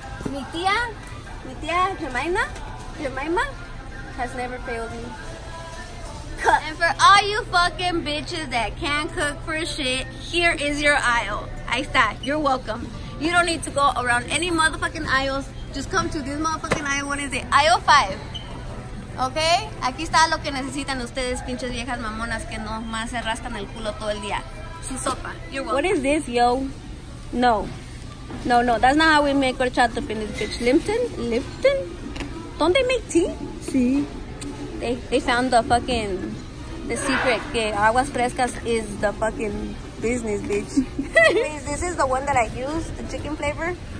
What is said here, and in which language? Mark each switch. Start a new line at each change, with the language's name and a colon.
English: Mi tía Jemima, has never failed me. Cut. And for all you fucking bitches that can't cook for shit, here is your aisle.
Spanish: Ahí está,
English: you're welcome. You don't need to go around any motherfucking aisles. Just come to this motherfucking aisle. What is it? Aisle 5.
Spanish: Okay, aquí está lo que necesitan ustedes, pinches viejas mamonas que no más se rascan el culo todo el día. Su sopa.
English: You're welcome. What is this, yo? No. That's not how we make horchata in this bitch. Lipton? Don't they make tea?
Spanish: Sí.
English: They found the secret que aguas frescas is the fucking business, bitch. This is the one that I use, the chicken flavor.